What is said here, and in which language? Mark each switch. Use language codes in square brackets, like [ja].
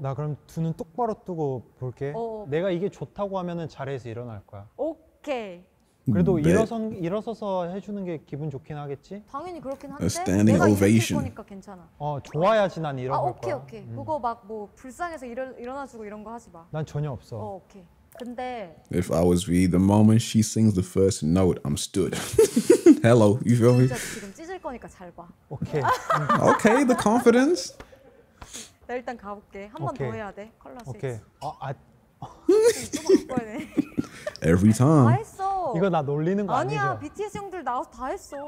[ko] 나 그럼 두눈 똑바로 뜨고 볼게. 내가 이게 좋다고 하면은 자리에서 일어날 거야. 오케이. 그래도 일어서서 해주는 게 기분 좋긴 하겠지? 당연히 그렇긴 한데 [en] A standing ovation. [ko] 있을 거니까 괜찮아. 어, 좋아야지 난 일어날 오케이, 거야. 오케이 오케이. 그거 막뭐 불쌍해서 일어나주고 이런 거 하지 마. 난 전혀 없어. 어, 오케이. 근데 [en] If I was V, the moment she sings the first note, I'm stood. Hello, you feel me? [ko] 진짜 지금 찢을 거니까 잘 봐. 오케이. [en] Okay, the confidence. [ko] 나 일단 가볼게. 한 번 더 해야 돼. 컬러 스위치. 오케이. 아, 좀 바꿔야 돼. [en] Every time. [ko] 다 했어. 이거 나 놀리는 거 아니야? 아니야, BTS 형들 나와서 다 했어.